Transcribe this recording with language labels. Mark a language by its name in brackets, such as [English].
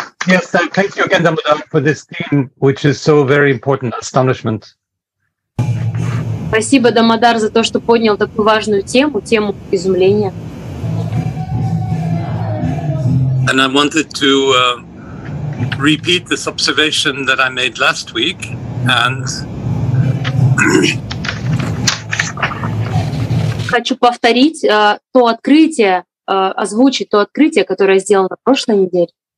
[English] Yes, thank you again, Damodar, for this theme, which is so very important, astonishment. [Russian] Спасибо, Дамодар, за то, что поднял такую важную тему, тему изумления. [English] And I wanted to repeat this observation that I made last week, and [Russian] хочу повторить то открытие, озвучить то открытие, которое сделано в прошлой неделе.